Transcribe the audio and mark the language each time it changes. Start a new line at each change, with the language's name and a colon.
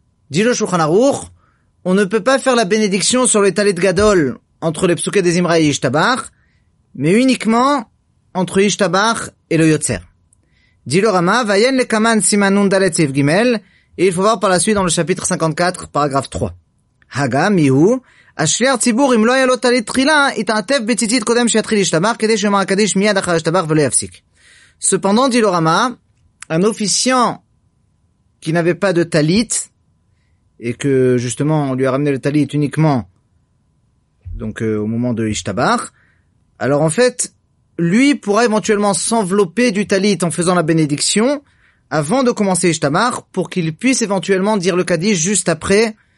French: Dit le Shulchan Aruch, on ne peut pas faire la bénédiction sur le talit gadol entre le psuke dezimra et ishtabach, mais uniquement entre ishtabach et le yotzer. Dit le Rama,
Hebrew: vayen le kaman simanun dalet sif gimel,
French: et il faut voir par la suite dans le chapitre 54, paragraphe 3.
Hebrew: Haga, mihu, השליח ציבור אם לא היה לו תלית תחילה התעטף בציצית קודם שיתחיל להשתבח כדי שיאמר הקדיש מיד אחר השתבח ולא יפסיק.
French: Cependant, dit le Rama, un officiant qui n'avait pas de talit et que justement on lui a ramené le talit uniquement donc au moment de l'ishtabach, alors en fait lui pourra éventuellement s'envelopper du talit en faisant la bénédiction avant de commencer l'ishtabach pour qu'il puisse éventuellement dire le kadish juste après.